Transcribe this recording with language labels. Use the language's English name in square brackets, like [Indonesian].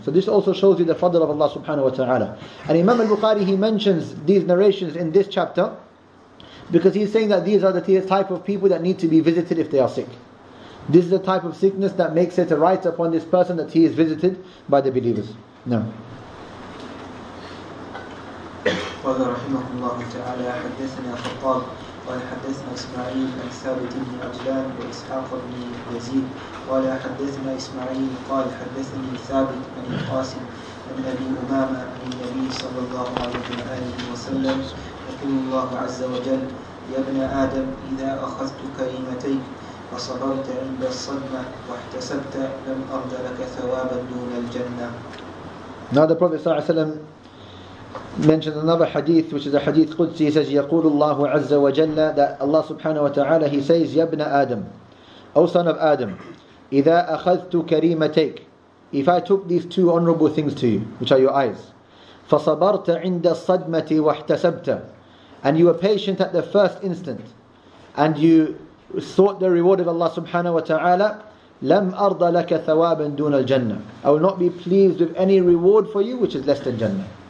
[English] So this also shows you the fadl of Allah subhanahu wa ta'ala. And Imam al-Bukhari, he mentions these narrations in this chapter because he's saying that these are the type of people that need to be visited if they are sick. This is the type of sickness that makes it a right upon this person that he is visited by the believers. No. [Arabic] قال رحمه الله تعالى حدثنا خطاب قال حدثنا إسماعيل بن ثابت بن عجلان وإسحاق بن يزيد قال حدثنا إسماعيل قال حدثني ثابت بن القاسم عن أبي أمامة عن النبي صلى الله عليه وسلم يقول الله عز وجل يا ابن آدم إذا أخذت كلمتيك وصبرت عند الصدمة واحتسبت لم أرد لك ثوابا دون الجنة. هذا النبي صلى الله عليه وسلم [English] mentioned another hadith, which is a hadith Qudsi. He says, [Arabic] يَقُولُ اللَّهُ عَزَّ وَجَلَّ, [English] that Allah subhanahu wa ta'ala, he says, [Arabic] يَبْنَ آدَم, [English] O son of Adam, [Arabic] إِذَا أَخَذْتُ كَرِيمَتَيْكَ, [English] if I took these two honorable things to you, which are your eyes, [Arabic] فَصَبَرْتَ عِنْدَ الصَّدْمَةِ وَاحْتَسَبْتَ, [English] and you were patient at the first instant, and you sought the reward of Allah subhanahu wa ta'ala, [Arabic] لَمْ أَرْضَ لَكَ ثَوَابًا دُونَ الْجَنَّةِ, [English] I will not be pleased with any reward for you which is less than Jannah.